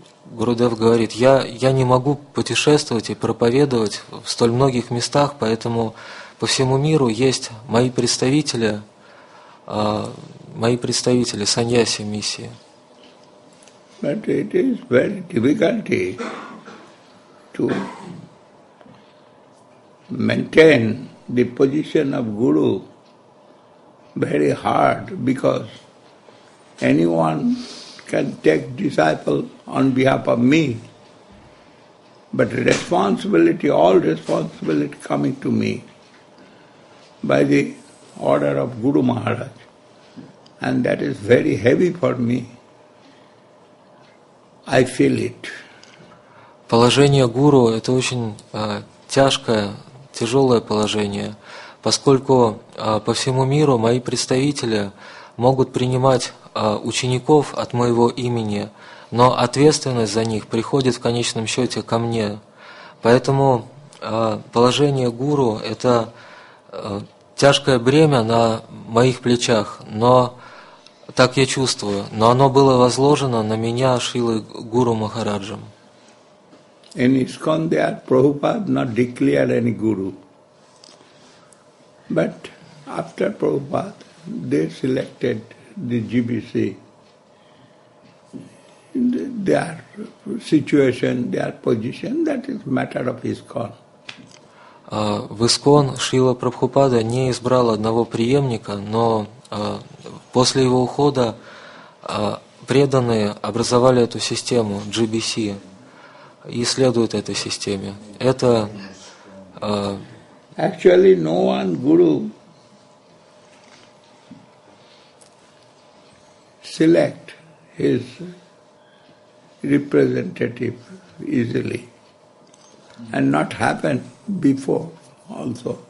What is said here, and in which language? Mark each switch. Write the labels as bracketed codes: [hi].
[ru] Гурудев говорит, я не могу путешествовать и проповедовать в столь многих местах, поэтому по всему миру есть мои представители саньяси миссии. [en] But it is very difficult to maintain the position of Guru very hard, because anyone can take disciple on behalf of me, but responsibility, all responsibility coming to me by the order of Guru Maharaj, and that is very heavy for me. I feel it. [ru] Положение Гуру – это очень тяжкое, тяжелое положение, поскольку по всему миру мои представители могут принимать учеников от моего имени, но ответственность за них приходит в конечном счете ко мне. Поэтому положение гуру – это тяжкое бремя на моих плечах, но так я чувствую, но оно было возложено на меня Шрилой Гуру Махараджем. [en] In ISKCON, Prabhupada not declared any guru. But after Prabhupada, they selected the GBC. Their situation, their position, that is matter of ISKCON. [ru] В ИСКОН Шрила Прабхупада не избрал одного преемника, но после его ухода преданные образовали эту систему GBC и следуют этой системе. Это [en] actually no one guru select his representative easily and not happen before also.